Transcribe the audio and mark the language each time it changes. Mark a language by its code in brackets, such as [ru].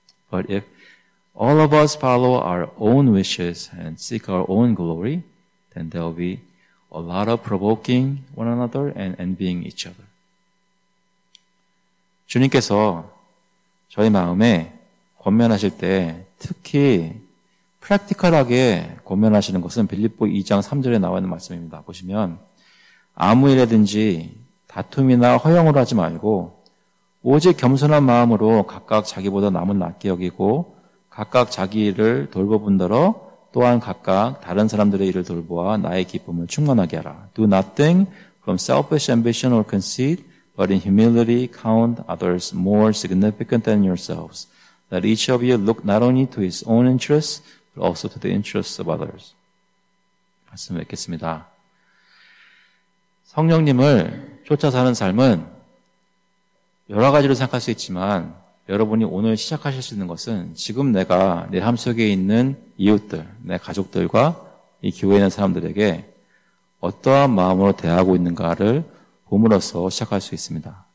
[en] But if all of us follow our own wishes and seek our own glory, then there will be a lot of provoking one another and envying each other. [ko] 주님께서 저희 마음에 권면하실 때 특히 프랙티컬하게 권면하시는 것은 빌립보 2장 3절에 나와 있는 말씀입니다. 보시면 아무 일이라든지 다툼이나 허영으로 하지 말고 오직 겸손한 마음으로 각각 자기보다 남은 낫게 여기고 각각 자기 일을 돌보분더러 또한 각각 다른 사람들의 일을 돌보아 나의 기쁨을 충만하게 하라. [en] Do nothing from selfish ambition or conceit, but in humility count others more significant than yourselves. Let each of you look not only to his own interests, but also to the interests of others. [ko] 말씀을 맺겠습니다. 성령님을 쫓아 사는 삶은 여러 가지로 생각할 수 있지만 여러분이 오늘 시작하실 수 있는 것은 지금 내가 내 함 속에 있는 이웃들, 내 가족들과 이 교회에 있는 사람들에게 어떠한 마음으로 대하고 있는가를 봄으로써 시작할 수 있습니다.